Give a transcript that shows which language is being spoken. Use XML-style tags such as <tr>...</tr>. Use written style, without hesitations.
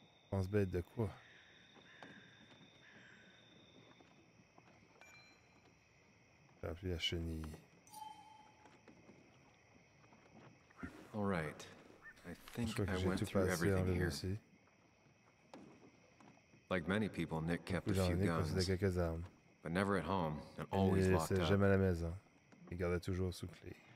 <fr>Pense-bête de quoi? T'as appelé la chenille.</fr> <en>All right. I think</en> <fr>je crois que j'ai tout passé en ligne aussi.</fr> <en>Like many people, Nick kept a few Nick guns,</en> <fr>quelques armes.</fr> <en>But never at home, and always</en> <fr>il ne laissait jamais à la maison. Il gardait toujours sous clé.</fr>